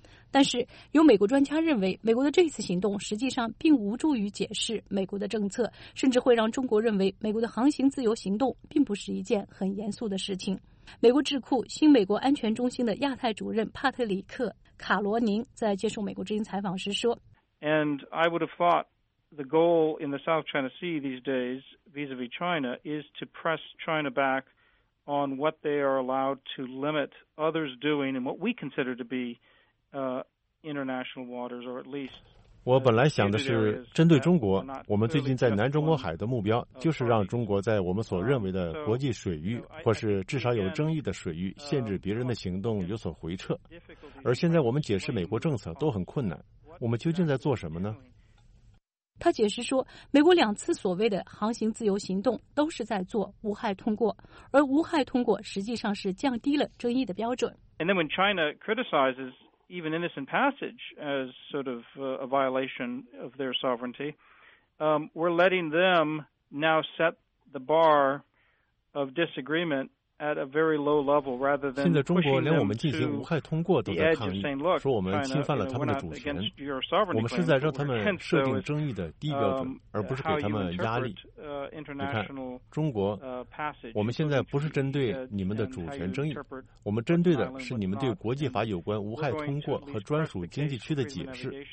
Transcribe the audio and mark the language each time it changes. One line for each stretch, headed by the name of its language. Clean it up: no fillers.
Chinese: 但是，有美国专家认为，美国的这次行动实际上并无助于解释美国的政策，甚至会让中国认为美国的航行自由行动并不是一件很严肃的事情。美国智库新美国安全中心的亚太主任帕特里克·卡罗宁在接受美国之音采访时说
English: ：“And I would have thought the goal in the South China Sea these days, vis-à-vis China, is to press China back on what they are allowed to limit others doing and what we consider to be international waters, or at least.”
Chinese: 我本来想的是，针对中国，我们最近在南中国海的目标就是让中国在我们所认为的国际水域或是至少有争议的水域限制别人的行动有所回撤。而现在我们解释美国政策都很困难，我们究竟在做什么呢？他解释说，美国两次所谓的航行自由行动都是在做无害通过，而无害通过实际上是降低了争议的标准。
English: And then when China criticizes even innocent passage as sort of a violation of their sovereignty, we're letting them now set the bar of disagreement
Chinese: 现在中国连我们进行无害通过都在抗议，说我们侵犯了他们的主权，我们是在让他们设定争议的低标准，而不是给他们压力。你看，中国，我们现在不是针对你们的主权争议，我们针对的是你们对国际法有关无害通过和专属经济区的解释。